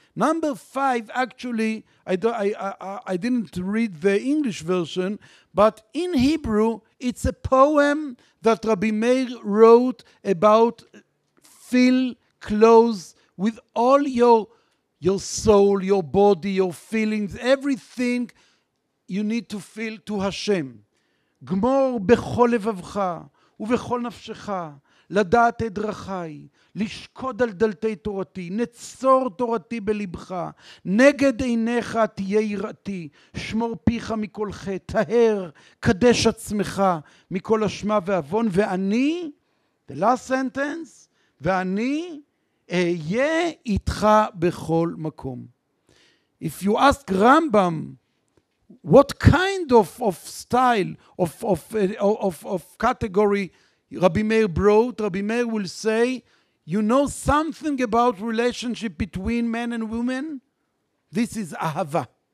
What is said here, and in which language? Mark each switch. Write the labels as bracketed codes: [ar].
[en] Number 5, actually, I didn't read the English version, but in Hebrew, it's a poem that Rabbi Meir wrote about feel close with all your soul, your body, your feelings, everything you need to feel to Hashem. [he] Gmor bechol levavcha ubechol nafshecha לדעת את דרכי, לשקוד על דלתי תורתי, נצור תורתי בלבך, נגד עיניך תהיה יראתי, שמור פיך מכל חטא, תהר, קדש עצמך מכל אשמה ואבון, ואני, [en] the last sentence, [he] ואני אהיה איתך בכל מקום. [en] If you ask Rambam, what kind of style, of category, Rabbi Meir brought, Rabbi Meir will say, you know something about relationship between men and women? This is Ahava.